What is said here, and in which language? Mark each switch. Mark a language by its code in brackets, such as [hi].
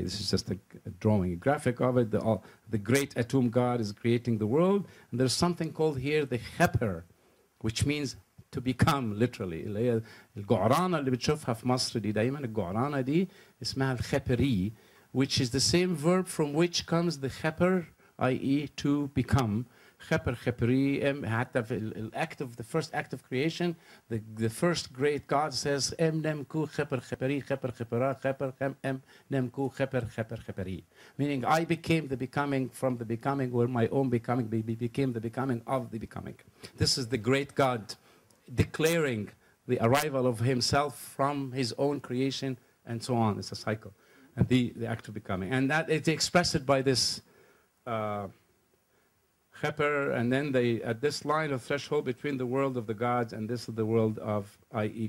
[en] This is just a drawing, a graphic of it. The great Atum god is creating the world, and there's something called here the Heper, which means to become, literally. [ar] Al-Gu'rana اللي بتشوفها في مصر دي دايما, Al-Gu'rana دي اسمها الخبري, [en] which is the same verb from which comes the [ar] خبر, i.e. [en] to become. [ar] خبر, خبري, حتى في الact of, [en] the first act of creation, the first great God says, [ar] ام نمكو خبر خبري, خبر خبرا, خبر خم, ام نمكو خبر خبر خبري. [en] Meaning, I became the becoming from the becoming, where my own becoming became the becoming of the becoming. This is the great God declaring the arrival of himself from his own creation, and so on. It's a cycle, and the act of becoming. And that it's expressed by this Heper, and then they at this line of threshold between the world of the gods and this of the world of, i.e.